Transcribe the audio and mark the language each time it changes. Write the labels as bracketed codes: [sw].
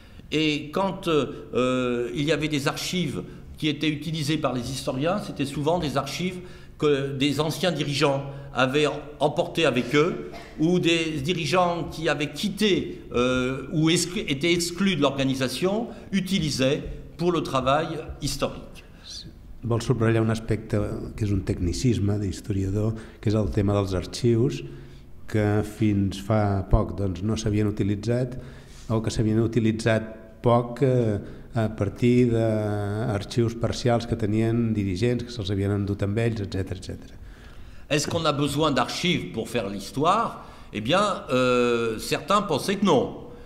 [fr] Et quand il y avait des archives qui étaient utilisées par les historiens, c'était souvent des archives que des anciens dirigeants avaient emportées avec eux, ou des dirigeants qui avaient quitté ou étaient exclus de l'organisation, utilisaient pour le travail historique. [ca] Vols subratllar un aspecte que és un tecnicisme d'historiador, que és el tema dels arxius, que fins fa poc doncs, no s'havien utilitzat, o que s'havien utilitzat poc a partir d'arxius parcials que tenien dirigents, que se'ls havien endut amb ells, etc. [fr] Est-ce qu'on a besoin d'archives pour faire l'histoire? Eh bien, certains pensaient que non.